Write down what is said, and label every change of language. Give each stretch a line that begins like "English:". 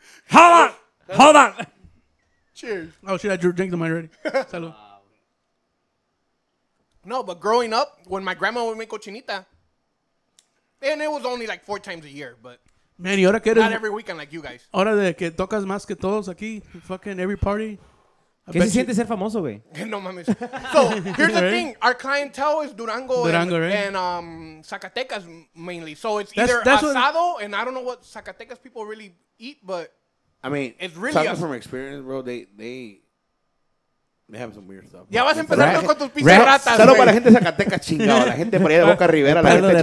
English: Hold on. Cheers. Oh, shit, I drank the mic already. Salud. No, but growing up, when my grandma would make cochinita, and it was only like 4 times a year, but
Spanish: man, ahora que eres,
English: not every weekend like you guys.
Spanish: Ahora de que tocas más que todos aquí, fucking every party. ¿Qué se siente ser famoso, güey?
English: No mames. So, here's the thing. Our clientele is Durango right? And Zacatecas mainly. So, it's either asado, and I don't know what Zacatecas people really eat, but I mean, it's really talking from experience, bro, they have some weird stuff.
Spanish: Ya vas a empezar con tus pizza ratas, güey. Solo para la gente de Zacatecas, chingado. La gente por ahí de Boca Rivera, la gente de